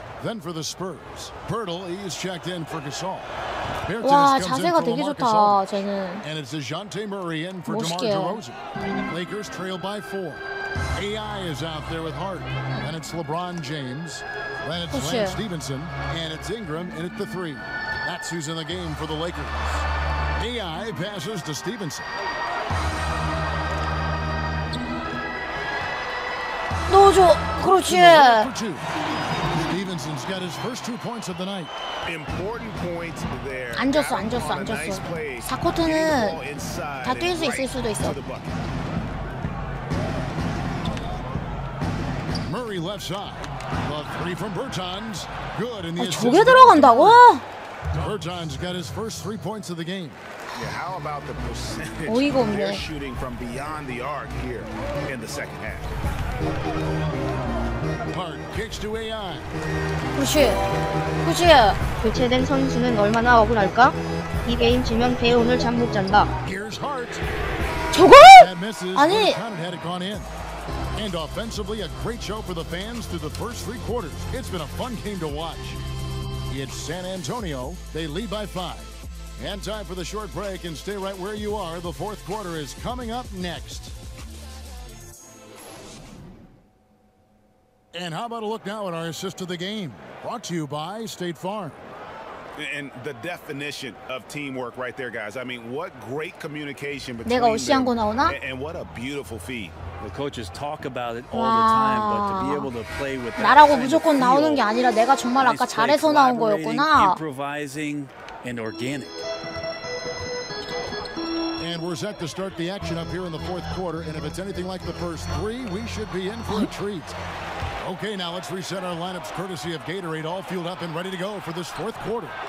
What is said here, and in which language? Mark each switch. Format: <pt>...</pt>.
<en>Then for the Spurs, Pirtle is checked in for Gasol.</en> <ko>와 자세가 되게 좋다 쟤는.</ko> <en>And it's Dejounte Murray in for DeMar DeRozan. Lakers trail by four. AI is out there with Hart, and it's LeBron James. Then it's Lance Stevenson, and it's Ingram in at the three. That's who's in the game for the Lakers. AI passes to Stevenson.</en> <ko>노조 그렇지.</ko> <en>Stevenson's got his first two points of the night. Important points there.</en> <ko>앉았어, 앉았어, 앉았어. 4쿼터는 다 뛸 수 있을 수도 있어.</ko> <en>Murray left side. The three from Bertans. Good in the</en> <ko>assist. 저게 들어간다고?</ko> <en>Bertans got his first three points of the game. How about the percentage of their shooting from beyond the arc here in the second half? Hart kicks to AI.</en> <ko>그렇지, 그렇지. 교체된 선수는 얼마나 억울할까? 이 게임 지면 배 오늘 잠 못 잔다. 저거? 아니.</ko> <en>And offensively, a great show for the fans through the first three quarters. It's been a fun game to watch. It's San Antonio. They lead by five. And time for the short break. And stay right where you are. The fourth quarter is coming up next. And how about a look now at our assist of the game, brought to you by State Farm. And the definition of teamwork right there, guys. I mean, what great communication between</en> <ko>내가 오시한 거 나오나?</ko> <en>And what a beautiful feat. The coaches talk about it all the time, but to be able to play with that.</en> <ko>나라고 무조건 나오는 게 아니라 내가 정말 아까 잘해서 나온 거였구나.</ko> <en>Improvising and organic. And we're set to start the action up here in the fourth quarter. And if it's anything like the first three, we should be in for a treat. Okay, now let's reset our lineups courtesy of Gatorade. All fueled up and ready to go for this fourth quarter.</en>